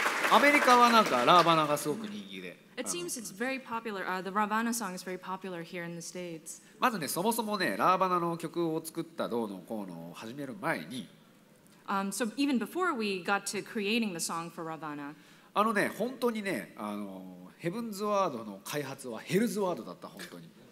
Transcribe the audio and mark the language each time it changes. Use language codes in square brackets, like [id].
[ja] アメリカはなんかラーバナがすごく人気で。 [en] It seems it's very popular. The Ravana song is very popular here in the States. [ja] まずね、そもそもね、ラーバナの曲を作ったどうのこうのを始める前に、 [en] So even before we got to creating the song for Ravana. [ja] あのね、本当にね、ヘブンズワードの開発はヘルズワードだった本当に。